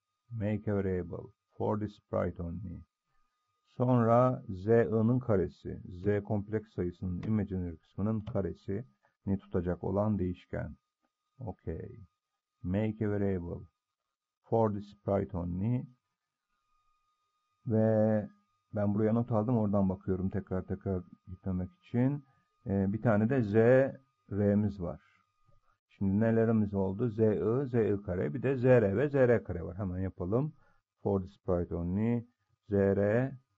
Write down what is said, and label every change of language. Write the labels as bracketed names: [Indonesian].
[English] Make a variable for this sprite only. [Turkish] Sonra z'nın karesi, z kompleks sayısının imaginary kısmının karesini tutacak olan değişken. [English] Okay. Make a variable for this sprite only. [Turkish] Ve ben buraya not aldım. Oradan bakıyorum tekrar tekrar gitmemek için. Bir tane de z r'miz var. Şimdi nelerimiz oldu? Z z kare, bir de z r ve z r kare var. Hemen yapalım. [English] For this sprite only [Turkish] z r.